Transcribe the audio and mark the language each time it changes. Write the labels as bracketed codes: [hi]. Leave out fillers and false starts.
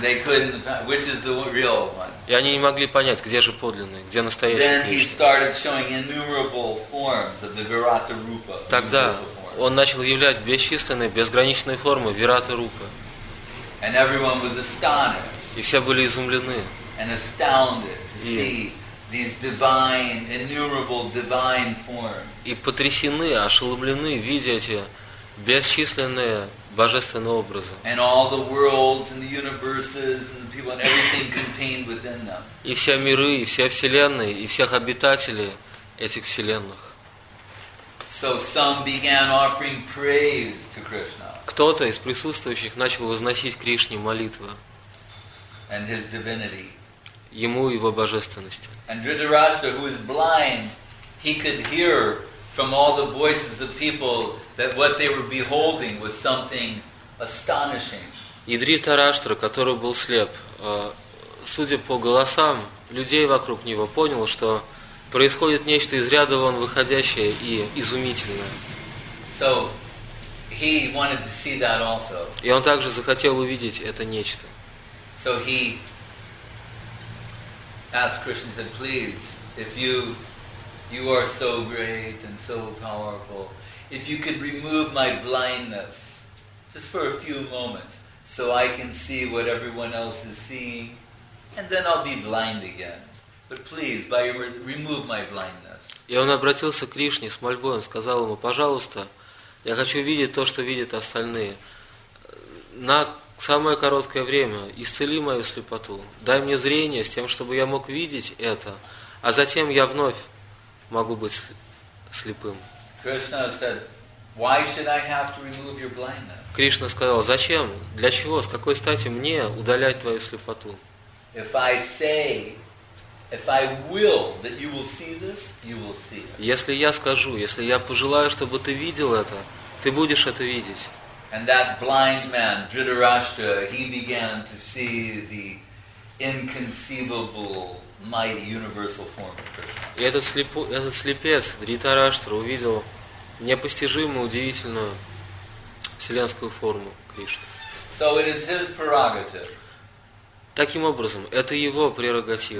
[en] And they couldn't, which is the real one. [ru] И они не могли понять, где же подлинный, где настоящий Кришна. [en] Then he started showing innumerable forms of the Virata Rupa. [ru] Тогда он начал являть бесчисленные, безграничные формы Вираты Рупы. [en] And everyone was astonished. [ru] И все были изумлены. [en] And astounded to see these divine, innumerable divine forms. [ru] И потрясены, ошеломлены, видя эти бесчисленные божественные образы. [en] And all the worlds and the universes and the people and everything contained within them. [ru] И все миры, и все вселенные, и всех обитателей этих вселенных. [en] So some began offering praise to Krishna. [ru] Кто-то из присутствующих начал возносить Кришне молитвы. [en] And his divinity. [ru] Ему и его божественности. [en] And Dhritarashtra, who is blind, he could hear from all the voices of people that what they were beholding was something astonishing. [ru] И Дхритараштра, который был слеп, судя по голосам людей вокруг него, понял, что происходит нечто из ряда вон выходящее и изумительное. [en] So he wanted to see that also. [ru] И он также захотел увидеть это нечто. [en] So he asked Krishna, said, please, if you are so great and so powerful, if you could remove my blindness just for a few moments, so I can see what everyone else is seeing, and then I'll be blind again. But please, by your remove my blindness. [ru] И он обратился к Кришне с мольбой, он сказал ему, пожалуйста, я хочу видеть то, что видят остальные. На самое короткое время исцели мою слепоту, дай мне зрение с тем, чтобы я мог видеть это, а затем я вновь могу быть слепым. [en] Krishna said, why should I have to remove your blindness? [ru] Кришна сказал, зачем, для чего, с какой стати мне удалять твою слепоту? [en] If I will that you will see this, you will see it. [ru] Если я скажу, если я пожелаю, чтобы ты видел это, ты будешь это видеть. [en] And that blind man, Dhritarashtra, he began to see the inconceivable, mighty, universal form of Krishna. [ru] И этот слепец, Дхритарашта, увидел непостижимую, удивительную вселенскую форму Кришны. [en] So it is his prerogative. [ru] Таким образом, это его прерогатива.